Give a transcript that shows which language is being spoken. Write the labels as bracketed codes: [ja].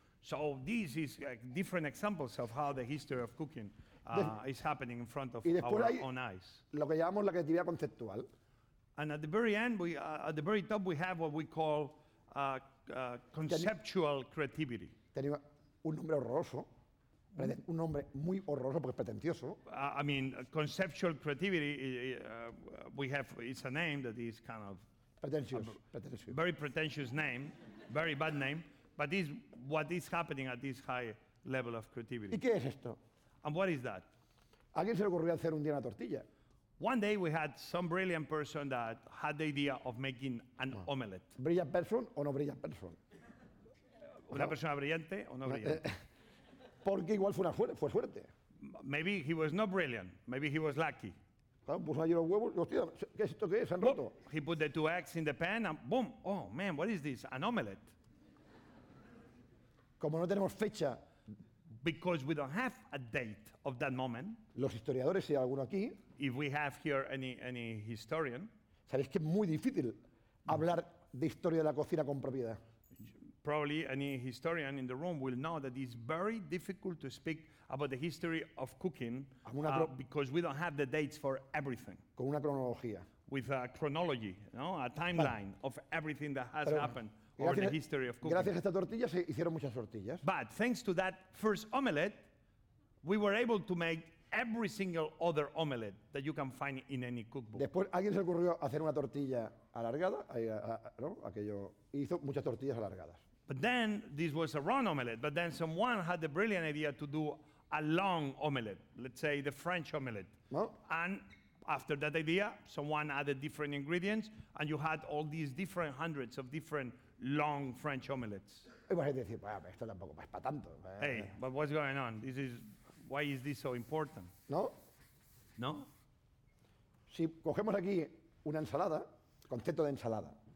[en] So this is different examples of how the history of cooking is happening in front of our own eyes. [es] Lo que llamamos la creatividad conceptual. [en] And at the very end, we at the very top, we have what we call conceptual creativity. [es] Tenía un nombre horroroso, un nombre muy horroroso porque es pretencioso. [en] I mean, conceptual creativity, we have, it's a name that is kind of pretentious. Very pretentious name, very bad name, but is what is happening at this high level of creativity. [es] ¿Y qué es esto? [en] And what is that? [es] ¿A alguien se le ocurrió hacer un día una tortilla? [en] One day we had some brilliant person that had the idea of making an omelette. ¿Brilliant person [es] o no [en] brilliant person? [es] ¿Una persona brillante o no brillante? Porque igual fue, fue suerte. [en] Maybe he was not brilliant. Maybe he was lucky. [es] Claro, puso allí los huevos. Hostia, ¿qué es esto que es? Se han roto. [en] He put the two eggs in the pan and boom. Oh, man, what is this? An omelette. [es] Como no tenemos fecha. [en] Because we don't have a date of that moment. [es] Los historiadores, si hay alguno aquí. [en] If we have here any historian. [es] Sabéis que es muy difícil hablar de historia de la cocina con propiedad. [en] Probably any historian in the room will know that it's very difficult to speak about the history of cooking because we don't have the dates for everything. [es] Con una cronología. [en] With a chronology, no? A timeline of everything that has happened over the history of cooking. [es] Gracias a esta tortilla se hicieron muchas tortillas. [en] But thanks to that first omelette, we were able to make every single other omelette that you can find in any cookbook. [es] Después, ¿alguien se ocurrió hacer una tortilla alargada? ¿No? Aquello. Hizo muchas tortillas alargadas. [en] But then this was a round omelette. But then someone had the brilliant idea to do a long omelette, let's say the French omelette. [es] No. [en] And after that idea, someone added different ingredients, and you had all these different hundreds of different long French omelettes. [es] Y vas a decir, vaya, esto tampoco es para tanto. [en] Hey, but what's going on? This is why is this so important? [es] No. No. Si cogemos aquí una ensalada, concepto de ensalada.